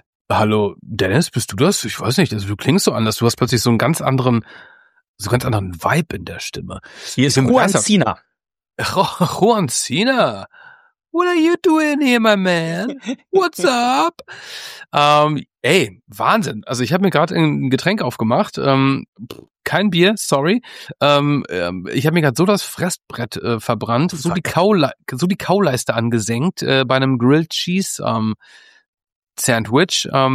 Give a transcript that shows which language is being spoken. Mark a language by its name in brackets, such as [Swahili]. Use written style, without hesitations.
[German] Hallo Dennis, bist du das? Ich weiß nicht, also, du klingst so anders. Du hast plötzlich so einen ganz anderen... So ganz anderen Vibe in der Stimme. Hier ist Juan Cena. Juan Cena? [English] What are you doing here, my man? What's up? [German] Ey, Wahnsinn. Also ich habe mir gerade ein Getränk aufgemacht. Kein Bier, sorry. Ich habe mir gerade so das Fressbrett verbrannt, so die Kauleiste angesenkt bei einem Grilled Cheese Sandwich.